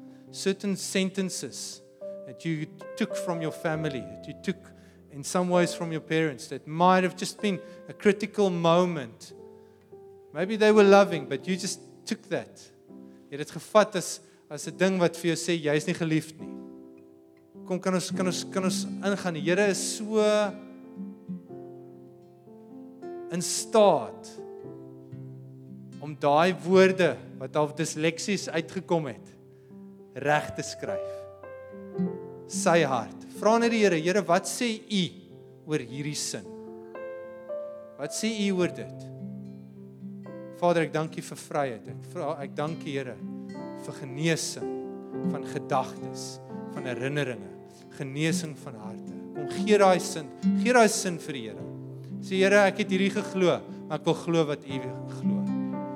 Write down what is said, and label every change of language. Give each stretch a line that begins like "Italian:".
English: Certain sentences that you took from your family, that you took in some ways from your parents, that might have just been a critical moment. Maybe they were loving, but you just took that.
Afrikaans: Jy het gevat as 'n ding wat vir jou sê, jy is nie geliefd nie. Kom, kan ons ingaan. Die Here is so in staat om daai woorde wat al disleksies uitgekom het, reg te skryf. Sy hart. Vra net die Here, Here, wat sê U oor hierdie sin? Wat sê U oor dit? Vader, ek dank U vir vryheid. Ek dank U, Here, vir genesing van gedagtes, van herinneringe, genesing van harte. Kom, gee daai sin vir die Here. Sê, Here, ek het hierdie geglo, maar ek wil glo wat U glo.